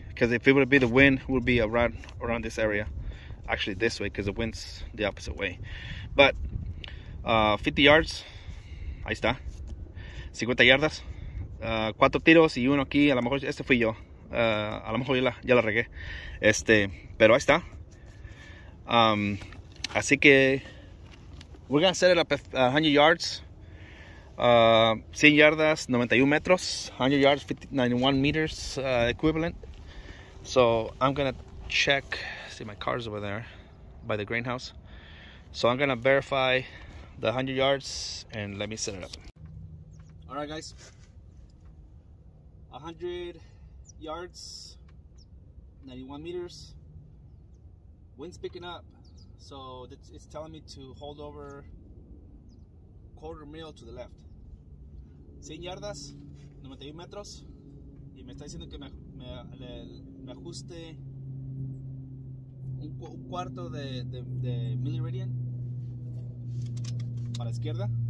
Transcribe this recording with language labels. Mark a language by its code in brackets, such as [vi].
[en] Because if it would be the wind, it would be around this area. Actually, this way, because the wind's the opposite way. But 50 yards. [es] Ahí está, 50 yardas, 4 tiros y uno aquí, a lo mejor este fui yo, a lo mejor ya la regué, pero ahí está. Así que, [en] we're gonna set it up at 100 yards, [es] 100 yardas, 91 metros, [en] 100 yards, 91 meters equivalent. So I'm gonna check, see my car's over there, by the greenhouse, so I'm gonna verify the 100 yards and let me set it up. All right, guys. 100 yards, 91 meters. Wind's picking up, so it's telling me to hold over quarter mile to the left. [es] 100 yardas, 91 metros. Y me está diciendo que me ajuste un cuarto de milliradian para la izquierda.